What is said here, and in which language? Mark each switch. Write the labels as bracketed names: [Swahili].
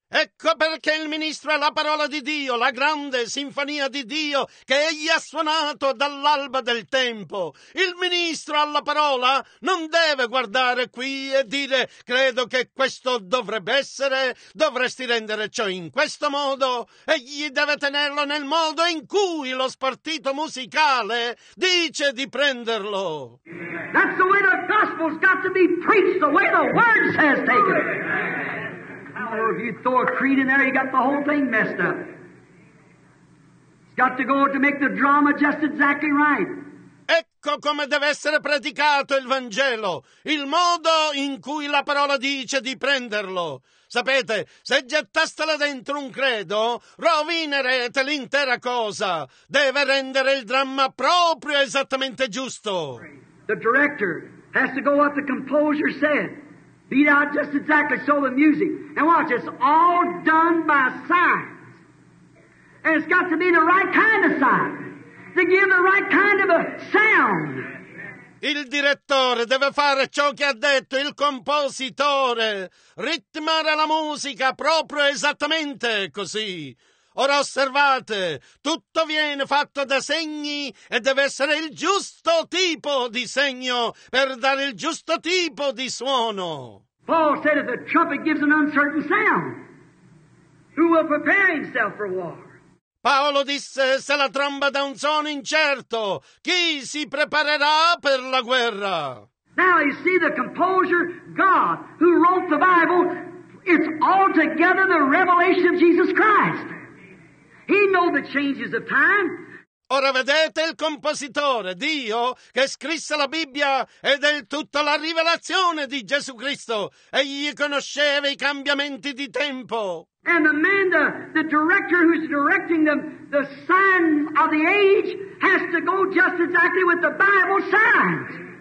[Italian] Ecco perché il ministro è la parola di Dio, la grande sinfonia di Dio che egli ha suonato dall'alba del tempo. Il ministro alla parola non deve guardare qui e dire credo che questo dovrebbe essere, dovresti rendere ciò in questo modo. Egli deve tenerlo nel modo in cui lo spartito musicale dice di prenderlo. [English] That's the way the gospel's got to be preached, the way the word says take it. Or if you throw a creed in there, you got the whole thing messed up. It's got to go to make the drama just exactly right. [Italian] ecco come deve essere predicato il Vangelo, il modo in cui la parola dice di prenderlo. Sapete, se gettastela dentro un credo, rovinerete l'intera cosa. Deve rendere il dramma proprio esattamente giusto. [English] The director has to go what the composer said. Be thou just exactly so the music. And watch, it's all done by signs. And it's got to be the right kind of sign. To give the right kind of a sound. [Italian] Il direttore deve fare ciò che ha detto il compositore, ritmare la musica proprio esattamente così. Ora osservate, tutto viene fatto da segni e deve essere il giusto tipo di segno per dare il giusto tipo di suono. [English] Paul said if the trumpet gives an uncertain sound, who will prepare himself for war? [Italian] Paolo disse, se la tromba dà un suono incerto, chi si preparerà per la guerra? [English] Now you see the composer, God, who wrote the Bible, it's altogether the revelation of Jesus Christ. He knows the changes of time. [Italian] Ora vedete il compositore, Dio, che scrisse la Bibbia ed è tutta la rivelazione di Gesù Cristo. Egli conosceva i cambiamenti di tempo. [English] And the man, the director who's directing the signs of the age, has to go just exactly with the Bible signs.